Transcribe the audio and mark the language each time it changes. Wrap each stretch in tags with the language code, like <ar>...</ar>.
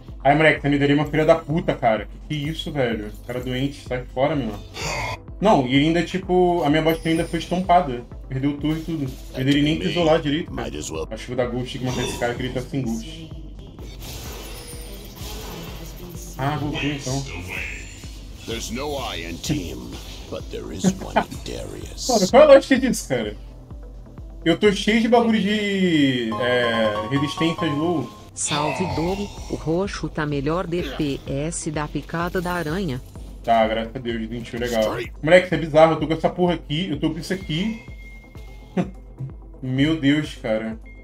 <pt>Ai, moleque, você me daria uma filha da puta, cara. Que é isso, velho? Cara doente, sai fora, meu. Não, e ainda, tipo, a minha bosta ainda foi estampada. Perdeu o turno e tudo. Eu dele nem quis isolar direito. Acho que vou dar ghost aqui, mas esse cara que ele tá sem ghost. Ah, voltei então.</pt> <en>There's no Iron Team, but there is one in Darius.</en> <pt>Mano, qual é a lógica disso, cara? Eu tô cheio de bagulho de resistência low. Salve, Dori. O roxo tá melhor DPS da picada da aranha. Tá, graças a Deus, gente, legal. Moleque, isso é bizarro, eu tô com essa porra aqui, eu tô com isso aqui. Meu Deus, cara.</pt>